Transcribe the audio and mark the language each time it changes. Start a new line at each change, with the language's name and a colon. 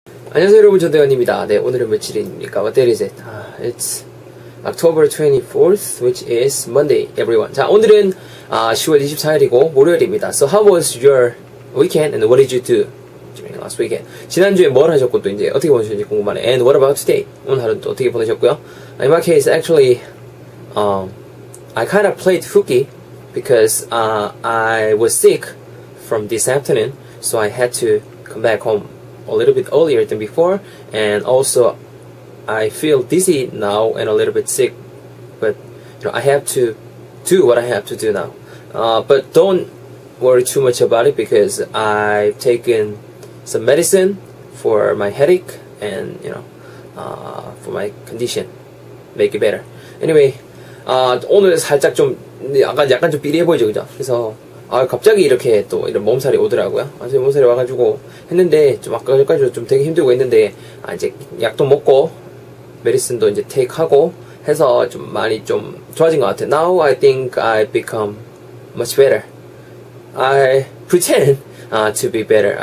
Korean: 안녕하세요 여러분, 전대관입니다. 네, 오늘은 며칠입니까?
English: What day is it? It's October 24th, which is Monday, everyone.
Korean: 자, 오늘은 10월 24일이고 월요일입니다.
English: So how was your weekend and what did you do during last weekend?
Korean: 지난주에 뭘 하셨고 또 이제 어떻게 보내셨는지 궁금하네.
English: And what about today?
Korean: 오늘 하루는 또 어떻게 보내셨고요?
English: In my case, actually, I kind of played hooky because I was sick from this afternoon, so I had to come back home a little bit earlier than before, and also I feel dizzy now and a little bit sick, but you know, I have to do what I have to do now. But don't worry too much about it because I've taken some medicine for my headache and you know, for my condition, make it better.
Korean: Anyway, 오늘 살짝 좀 약간 좀 삐리해 보이죠, 그죠? 그래서 아, 갑자기 이렇게 또 이런 몸살이 오더라고요. 완전 몸살이 와가지고 했는데, 좀 아까 전까지도 좀 되게 힘들고 했는데, 아, 이제 약도 먹고, 메디슨도 이제 테이크 하고 해서 좀 많이 좀 좋아진 것 같아요.
English: Now I think I become much better. I pretend to be better.